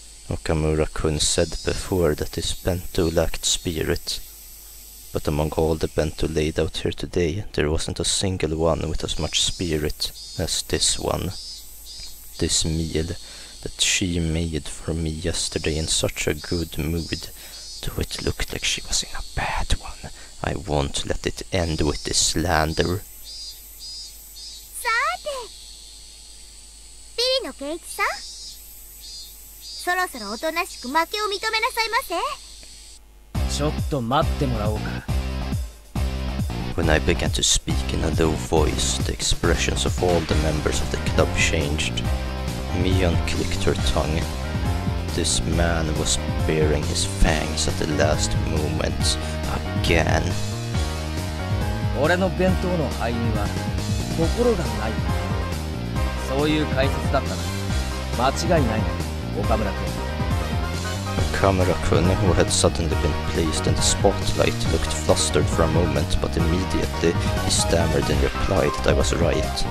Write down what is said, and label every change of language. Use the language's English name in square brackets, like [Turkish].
[English] Okamura-kun said before that this bento lacked spirit, but among all the bento laid out here today, there wasn't a single one with as much spirit as this one. This meal that she made for me yesterday in such a good mood, though it looked like she was in a bad one. I won't let it end with this slander. [Japanese] さて、ビリのケイチさん、そろそろおとなしく負けを認めなさいませ。ちょっと待ってもらおうか。 [English] When I began to speak in a low voice, the expressions of all the members of the club changed. Mion clicked her tongue. This man was baring his fangs at the last moment again. [Japanese] 俺の弁当の灰には心がない、そういう解説だったな。間違いないな、岡村君。 [English] Kamura-kun, who had suddenly been placed in the spotlight, looked flustered for a moment, but immediately he stammered in reply that I was right.